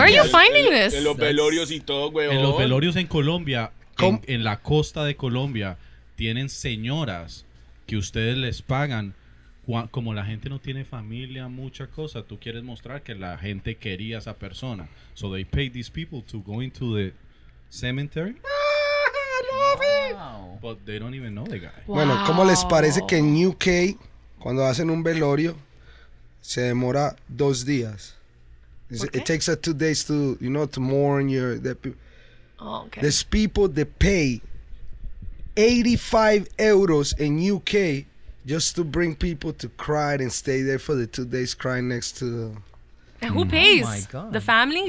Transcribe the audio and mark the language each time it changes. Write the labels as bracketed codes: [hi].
[en] Where are you finding this? [es] En los velorios y todo, güey. En los velorios en Colombia... En la costa de Colombia tienen señoras que ustedes les pagan. Como la gente no tiene familia, mucha cosa, tú quieres mostrar que la gente quería a esa persona. [en] So they pay these people to go into the cemetery. Ah, I love it. But they don't even know the guy. Wow. [es] Bueno, ¿cómo les parece que en UK, cuando hacen un velorio, se demora 2 días? [en] Okay. It takes 2 days to, you know, to mourn your... Oh, okay. There's people that pay 85 euros in UK just to bring people to cry and stay there for the 2 days crying next to And who pays? Oh my God. The family?